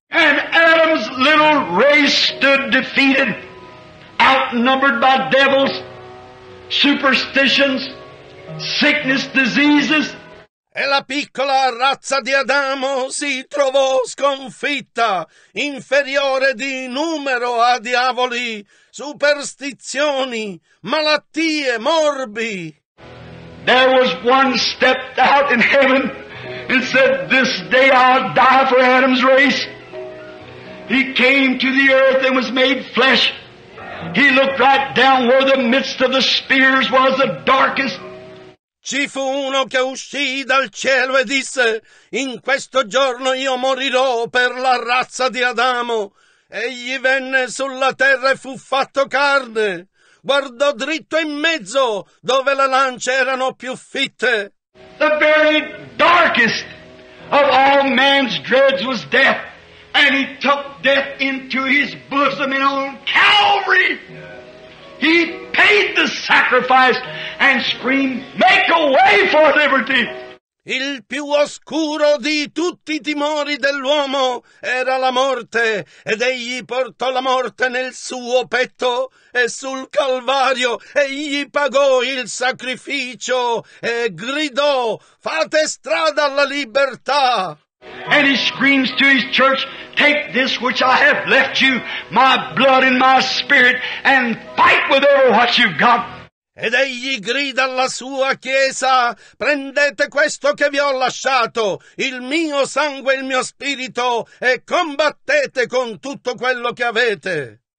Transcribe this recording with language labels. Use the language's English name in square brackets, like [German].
[English] And Adam's little race stood defeated, outnumbered by devils, superstitions, sickness, diseases. [Italian] E la piccola razza di Adamo si trovò sconfitta, inferiore di numero a diavoli, superstizioni, malattie, morbi. [English] There was one stepped out in heaven and said, this day I'll die for Adam's race. He came to the earth and was made flesh. He looked right down where the midst of the spears was the darkest. [Italian] Ci fu uno che uscì dal cielo e disse, in questo giorno io morirò per la razza di Adamo. Egli venne sulla terra e fu fatto carne. Guardò dritto in mezzo dove le lance erano più fitte. [English] The very darkest of all man's dreads was death. And he took death into his bosom and on Calvary. He paid the sacrifice and screamed, make a way for liberty. [Italian] Il più oscuro di tutti i timori dell'uomo era la morte, ed egli portò la morte nel suo petto, e sul Calvario egli pagò il sacrificio e gridò, fate strada alla libertà. [English] And he screams to his church, take this which I have left you, my blood and my spirit, and fight with ever what you've got. [Italian] Ed egli grida alla sua chiesa, prendete questo che vi ho lasciato, il mio sangue e il mio spirito, e combattete con tutto quello che avete.